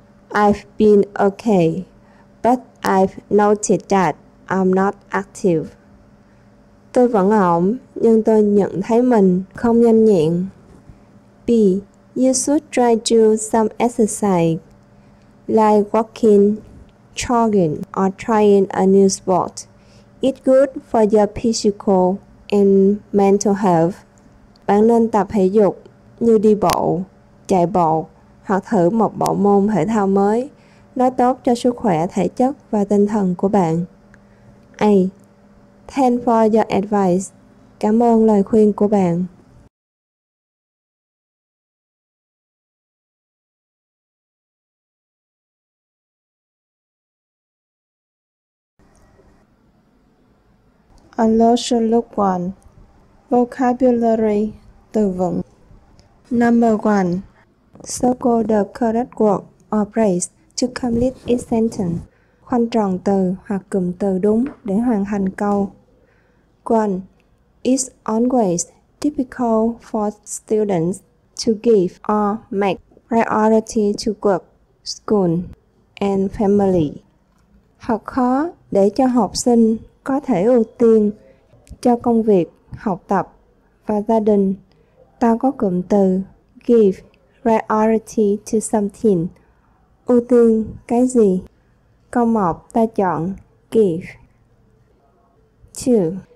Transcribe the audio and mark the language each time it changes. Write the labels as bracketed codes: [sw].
[en] I've been okay, but I've noticed that I'm not active. [vi] Tôi vẫn ổn, nhưng tôi nhận thấy mình không nhanh nhẹn. [en] B. You should try to do some exercise, like walking, jogging, or trying a new sport. It's good for your physical and mental health. [vi] Bạn nên tập thể dục như đi bộ, chạy bộ, hoặc thử một bộ môn thể thao mới. Nó tốt cho sức khỏe thể chất và tinh thần của bạn. A. [en] Thanks for your advice. [vi] Cảm ơn lời khuyên của bạn. [en] A lesson look one. Vocabulary, [vi] từ vựng. [en] Number one. Circle the correct word or phrase to complete a sentence. [vi] Khoanh tròn từ hoặc cụm từ đúng để hoàn thành câu. [en] One. It's always typical for students to give or make priority to work, school, and family. [vi] Học khó để cho học sinh có thể ưu tiên cho công việc, học tập và gia đình. Ta có cụm từ [en] give priority to something. [vi] Ưu tiên cái gì? Câu 1, ta chọn give. 2.